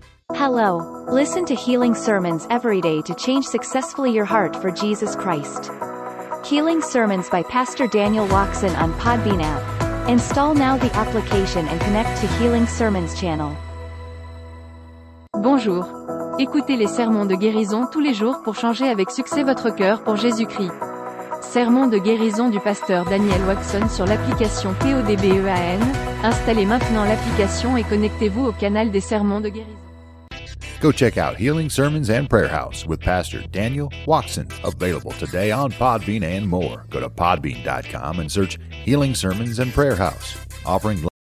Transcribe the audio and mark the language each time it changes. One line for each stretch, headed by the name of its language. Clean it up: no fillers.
English: Hello. Listen to Healing Sermons every day to change successfully your heart for Jesus Christ. Healing Sermons by Pastor Daniel Watson on Podbean app. Install now the application and connect to Healing Sermons channel.
French: Bonjour. Écoutez les sermons de guérison tous les jours pour changer avec succès votre cœur pour Jésus-Christ. Sermons de guérison du pasteur Daniel Watson sur l'application PODBEAN. Installez maintenant l'application et connectez-vous au canal des sermons de guérison.
English: Go check out Healing Sermons and Prayer House with Pastor Daniel Watson. Available today on Podbean and more. Go to podbean.com and search Healing Sermons and Prayer House. Offering